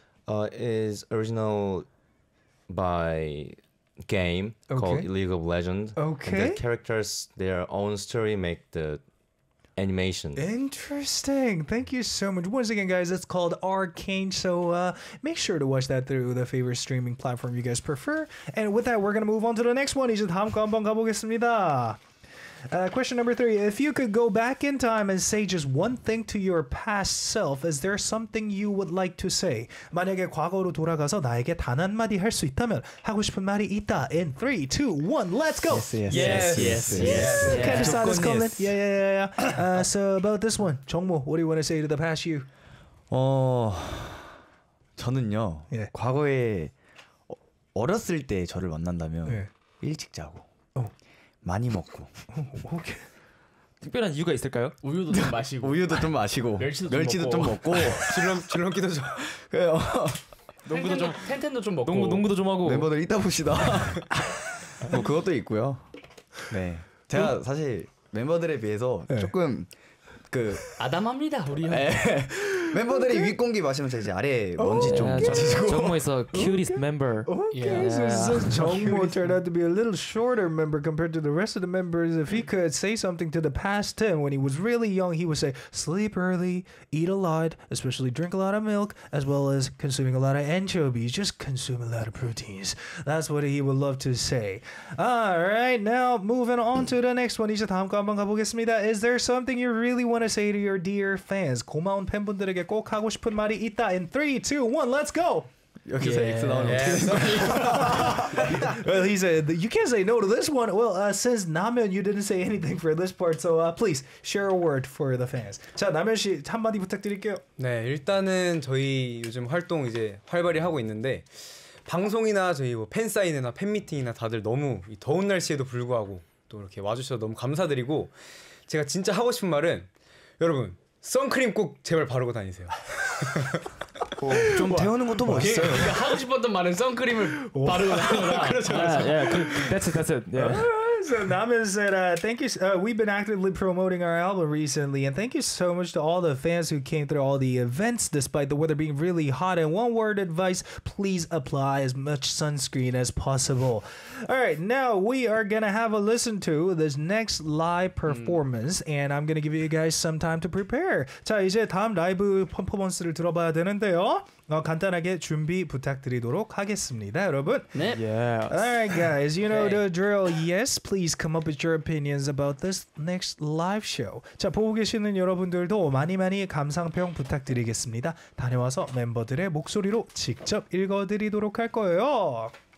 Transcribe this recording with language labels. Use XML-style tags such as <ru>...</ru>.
<en>Is original by game called League of Legends. Okay. And the characters, their own story make the animation. Interesting. Thank you so much. Once again, guys, it's called Arcane. So make sure to watch that through the favorite streaming platform you guys prefer. And with that, we're going to move on to the next one.</en> <ko>이제 다음 거 한번 가보겠습니다.</ko> <en>Question number 3. If you could go back in time and say just one thing to your past self, is there something you would like to say?</en> <ko>만약에 과거로 돌아가서 나에게 단 한 마디 할 수 있다면 하고 싶은 말이 있다.</ko> <en>In 3, 2, 1, let's go. Yes. Can't decide what's coming. Yeah. So about this one, 정모, what do you want to say to the past you?</en> <ko>저는요. 과거에 어렸을 때 저를 만난다면 일찍 자고 많이 먹고. 오케이. 특별한 이유가 있을까요? 우유도 좀 마시고. 우유도 좀 마시고. 멸치도 좀 먹고. 줄넘기도 좀. 그래요. 농구도 좀. 텐텐도 좀 먹고. 농구도 좀 하고. 멤버들 이따 봅시다. 뭐 그것도 있고요. 네. 제가 사실 멤버들에 비해서 조금 그. 아담합니다 우리 형. 멤버들이 윗공기 마시면 이제 아래 먼지 좀 끼시고 정모에서</ko> <en>cutest member. So Jongmo turned out to be a little shorter member compared to the rest of the members. If he could say something to the past him when he was really young, he would say sleep early, eat a lot, especially drink a lot of milk, as well as consuming a lot of anchovies. Just consume a lot of proteins. That's what he would love to say. Alright, now moving on to the next one.</en> <ko>이제 다음 거 한번 가보겠습니다.</ko> <en>Is there something you really want to say to your dear fans?</en> <ko>고마운 팬분들 에게 꼭 하고 싶은 말이 있다.</ko> <en>In 3, 2, 1, let's go.</en> <ko>여기서 X 나오는</ko> <en>Well, he said you can't say no to this one. Well, since 남현, you didn't say anything for this part, so please share a word for the fans.</en> <ko>자, 남현 씨 한마디 부탁드릴게요. 네, 일단은 저희 요즘 활동 이제 활발히 하고 있는데 방송이나 저희 뭐 팬 사인회나 팬 미팅이나 다들 너무 이 더운 날씨에도 불구하고 또 이렇게 와주셔서 너무 감사드리고, 제가 진짜 하고 싶은 말은 여러분 선크림 꼭 제발 바르고 다니세요. 좀 태우는 것도 멋있어요. 그러니까 하고 싶었던 말은 선크림을 바르고 다니는 거. 그렇죠, 그렇죠.</ko> <en>Yeah, yeah, that's it. Yeah. So Namin said, thank you. We've been actively promoting our album recently, and thank you so much to all the fans who came through all the events despite the weather being really hot. And one word advice, please apply as much sunscreen as possible. All right, now we are going to have a listen to this next live performance, and I'm going to give you guys some time to prepare.</en> <ko>자, 이제 다음 라이브 퍼포먼스를 들어봐야 되는데요. 간단하게 준비 부탁드리도록 하겠습니다, 여러분. 네.</ko> <en>Yes. All right, guys. You know the drill. Yes, please come up with your opinions about this next live show.</en> <ko>자, 보고 계시는 여러분들도 많이 많이 감상평 부탁드리겠습니다. 다녀와서 멤버들의 목소리로 직접 읽어드리도록 할 거예요.</ko>